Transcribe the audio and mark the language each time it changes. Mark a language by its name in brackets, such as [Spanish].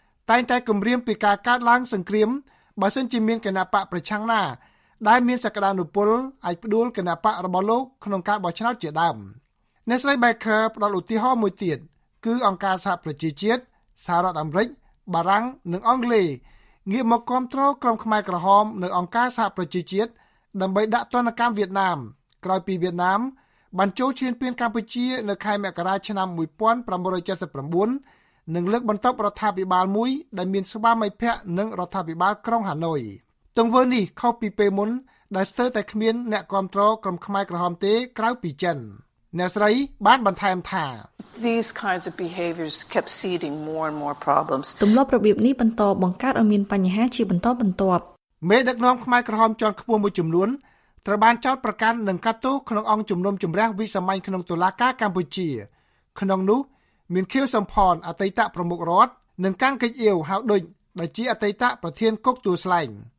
[Khmer] តែងតែគំរាមពីការកើតឡើងសង្គ្រាមបើសិនជាមានគណៈបកប្រឆាំងណាដែលមានសក្តានុពលអាចផ្ដួលគណៈបករបស់លោកក្នុងការបោះឆ្នោតជាដើមអ្នកស្រី Baker ផ្ដល់ឧទាហរណ៍មួយទៀតគឺអង្គការសហប្រជាជាតិសហរដ្ឋអាមេរិកបារាំងនិងអង់គ្លេសងាកមកគាំទ្រក្រុមខ្មែរក្រហមនៅអង្គការសហប្រជាជាតិដើម្បីដាក់ទណ្ឌកម្មវៀតណាមក្រោយពីវៀតណាមបានចូលឈ្លានពានកម្ពុជានៅខែមករាឆ្នាំ 1979និងលើកបន្ទប់រដ្ឋាភិបាលមួយដែលមានស្វាមីភ័ក្ត្រនិងរដ្ឋាភិបាលក្រុងហាណូយទង្វើនេះខុសពីពេលមុនដែលស្ទើរតែគ្មានអ្នកគាំទ្រក្រុមខ្មែរក្រហមទេក្រៅពីចិនអ្នកស្រីបានបន្ថែមថា [English] These kinds of behaviors kept seeding more and more problems. [Khmer] ទម្លាប់របៀបនេះបន្តបង្កើតឲ្យមានបញ្ហាជាបន្តបន្ទាប់មេដឹកនាំខ្មែរក្រហមជាន់ខ្ពស់មួយចំនួនត្រូវបានចោទប្រកាន់នឹងកាត់ទោសក្នុងអង្គជំនុំជម្រះវិសាមញ្ញក្នុងតុលាការកម្ពុជាក្នុងនោះមានខៀវសំផនអតីតប្រមុខរដ្ឋនិងកាំងកិចអ៊ីវហៅដូចដែលជាអតីតប្រធានគុកទួលស្លែង